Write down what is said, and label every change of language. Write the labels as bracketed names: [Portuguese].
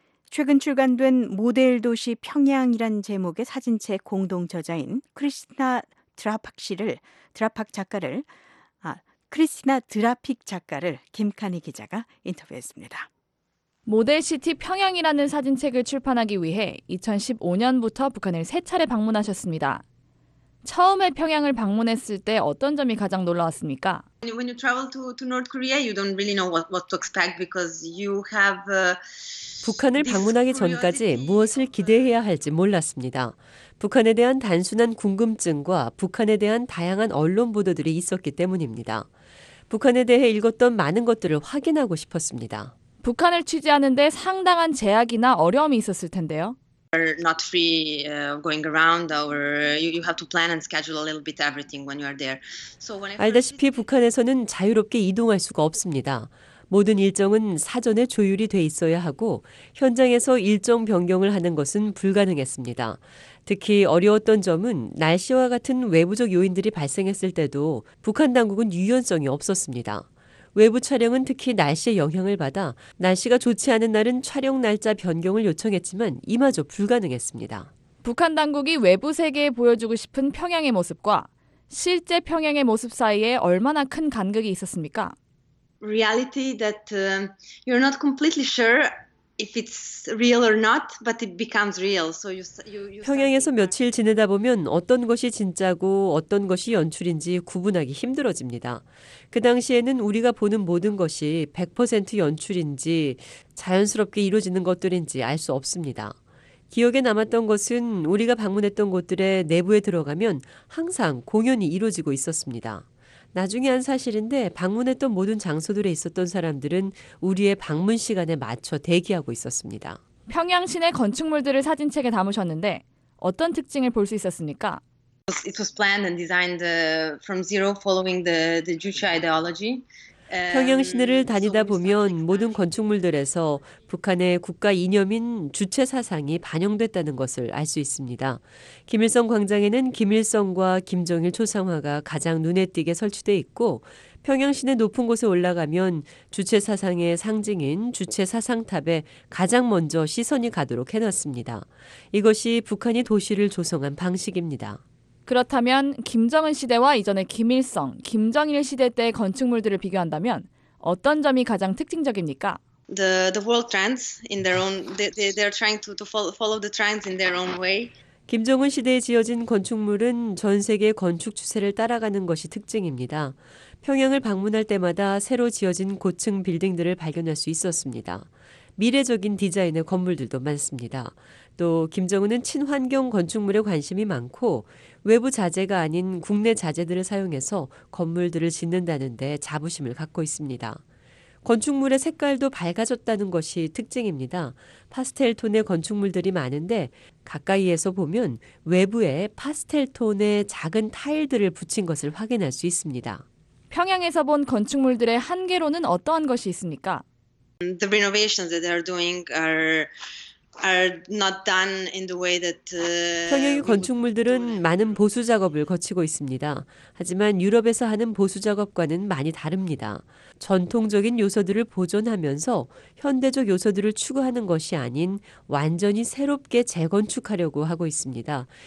[Korean] 최근 출간된 모델 도시 평양이란 제목의 사진책 공동 저자인 크리스티나 드라픽 작가를 김카니 기자가 인터뷰했습니다. 모델 시티 평양이라는 사진책을 출판하기 위해 2015년부터 북한을 세 차례 방문하셨습니다. 처음에 평양을 방문했을 때 어떤 점이 가장 놀라웠습니까? [English] When you travel to North Korea, you don't really know what to expect because you have [Korean] 북한을 방문하기 전까지 무엇을 기대해야 할지 몰랐습니다. 북한에 대한 단순한 궁금증과 북한에 대한 다양한 언론 보도들이 있었기 때문입니다. 북한에 대해 읽었던 많은 것들을 확인하고 싶었습니다. 북한을 취재하는데 상당한 제약이나 어려움이 있었을 텐데요. [English] Are not free going around or you have to plan and schedule a little bit everything when you are there. So when [Korean] 알다시피 북한에서는 자유롭게 이동할 수가 없습니다. 모든 일정은 사전에 조율이 돼 있어야 하고 현장에서 일정 변경을 하는 것은 불가능했습니다. 특히 어려웠던 점은 날씨와 같은 외부적 요인들이 발생했을 때도 북한 당국은 유연성이 없었습니다. 외부 촬영은 특히 날씨의 영향을 받아 날씨가 좋지 않은 날은 촬영 날짜 변경을 요청했지만 이마저 불가능했습니다. 북한 당국이 외부 세계에 보여주고 싶은 평양의 모습과 실제 평양의 모습 사이에 얼마나 큰 간극이 있었습니까? [English] Reality that you're not completely sure if it's real or not, but it becomes real. So you [Korean] 평양에서 며칠 지내다 보면 어떤 것이 진짜고 어떤 것이 연출인지 구분하기 힘들어집니다. 그 당시에는 우리가 보는 모든 것이 100% 연출인지 자연스럽게 이루어지는 것들인지 알 수 없습니다. 기억에 남았던 것은 우리가 방문했던 곳들의 내부에 들어가면 항상 공연이 이루어지고 있었습니다. 나중에 한 사실인데 방문했던 모든 장소들에 있었던 사람들은 우리의 방문 시간에 맞춰 대기하고 있었습니다. 평양 시내 건축물들을 사진책에 담으셨는데 어떤 특징을 볼 수 있었습니까? [English] It was planned and designed from zero following the Juche ideology. [Korean] 평양 시내를 다니다 보면 모든 건축물들에서 북한의 국가 이념인 주체 사상이 반영됐다는 것을 알 수 있습니다. 김일성 광장에는 김일성과 김정일 초상화가 가장 눈에 띄게 설치돼 있고 평양 시내 높은 곳에 올라가면 주체 사상의 상징인 주체 사상탑에 가장 먼저 시선이 가도록 해놨습니다. 이것이 북한이 도시를 조성한 방식입니다. 그렇다면 김정은 시대와 이전의 김일성, 김정일 시대 때의 건축물들을 비교한다면 어떤 점이 가장 특징적입니까? [English] The world trends in their own they are trying to follow the trends in their own way. [Korean] 김정은 시대에 지어진 건축물은 전 세계 건축 추세를 따라가는 것이 특징입니다. 평양을 방문할 때마다 새로 지어진 고층 빌딩들을 발견할 수 있었습니다. 미래적인 디자인의 건물들도 많습니다. 또 김정은은 친환경 건축물에 관심이 많고 외부 자재가 아닌 국내 자재들을 사용해서 건물들을 짓는다는 데 자부심을 갖고 있습니다. 건축물의 색깔도 밝아졌다는 것이 특징입니다. 파스텔톤의 건축물들이 많은데 가까이에서 보면 외부에 파스텔톤의 작은 타일들을 붙인 것을 확인할 수 있습니다. 평양에서 본 건축물들의 한계로는 어떠한 것이 있습니까? [English] The renovations that they are doing are not done in the way that [Korean] 평양의 건축물들은 많은 보수 작업을 거치고 있습니다. 하지만 유럽에서 하는 보수 작업과는 많이 다릅니다. 전통적인 요소들을 보존하면서 현대적 요소들을 추구하는 것이 아닌 완전히 새롭게 재건축하려고 하고 있습니다.